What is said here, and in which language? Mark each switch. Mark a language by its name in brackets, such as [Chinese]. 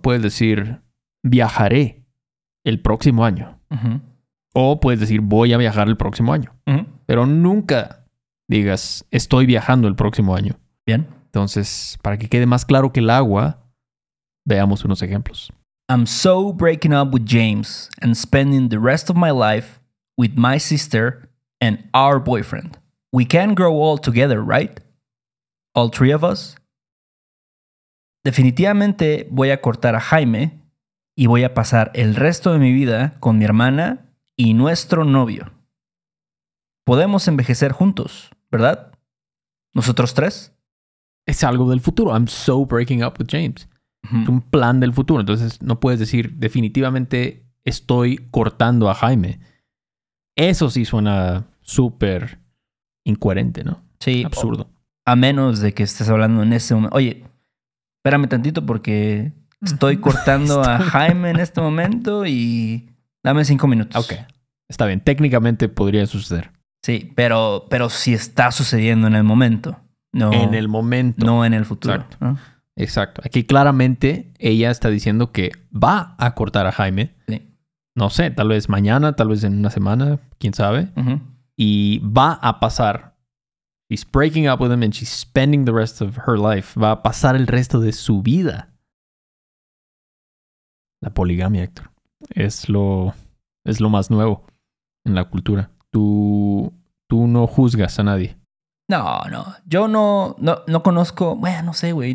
[Spanish] Puedes decir viajaré el próximo año. Uh-huh. O puedes decir voy a viajar el próximo año. Uh-huh. Pero nunca digas, estoy viajando el próximo año. Bien. Entonces, para que quede más claro que el agua, veamos unos ejemplos. [English] I'm so breaking up with James and spending the rest of my life with my sister and our boyfriend. We can grow all together, right? All three of us? [Spanish] Definitivamente voy a cortar a Jaime y voy a pasar el resto de mi vida con mi hermana y nuestro novio. Podemos envejecer juntos, ¿verdad? ¿Nosotros tres? Es algo del futuro. [English] I'm so breaking up with James. [Spanish] Uh-huh. Es un plan del futuro. Entonces, no puedes decir definitivamente estoy cortando a Jaime. Eso sí suena súper incoherente, ¿no? Sí. Absurdo. A menos de que estés hablando en ese momento. Oye, espérame tantito porque estoy cortando a Jaime en este momento y dame 5 minutos. Ok. Está bien. Técnicamente podría suceder. Sí, pero si está sucediendo en el momento. No, en el momento. No en el futuro. Exacto. Exacto. Aquí claramente ella está diciendo que va a cortar a Jaime. Sí. No sé, tal vez mañana, tal vez en una semana, quién sabe. Uh-huh. Y va a pasar. [English] She's breaking up with him and she's spending the rest of her life. [Spanish] Va a pasar el resto de su vida. La poligamia, Héctor. Es lo más nuevo en la cultura. Tú no juzgas a nadie. No, no. Yo no conozco... Bueno, no sé, güey.